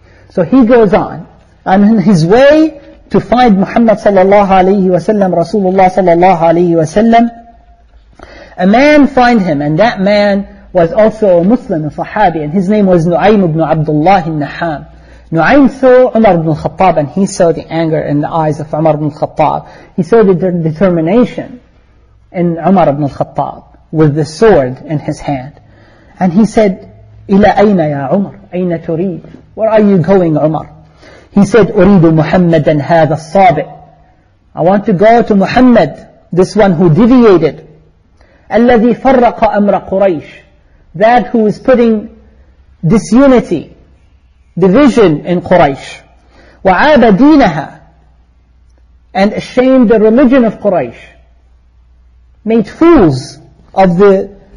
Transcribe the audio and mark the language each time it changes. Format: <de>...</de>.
<en>So he goes on, and in his way to find Muhammad sallallahu alayhi wa sallam, Rasulullah sallallahu alayhi wa sallam, a man find him, and that man was also a Muslim, a Sahabi, and his name was Nu'aym ibn Abdullah al-Naham. Nu'aym saw Umar ibn al-Khattab, and he saw the anger in the eyes of Umar ibn al-Khattab. He saw the determination in Umar ibn al-Khattab with the sword in his hand.</en> <ar>And he said, إِلَىٰ أَيْنَ يَا عُمَرْ أَيْنَ تُرِيدُ.</ar> <en>Where are you going, Umar?</en> <ar>He said, أُرِيدُ مُحَمَّدًا هَذَا الصَّابِعِ.</ar> <en>I want to go to Muhammad, this one who deviated.</en> <ar>الَّذِي فَرَّقَ أَمْرَ قُرَيْشِ.</ar> <en>That who is putting disunity, division in Quraysh.</en> <ar>وَعَابَ دِينَهَا.</ar> <en>And ashamed the religion of Quraysh. Made fools of the</en>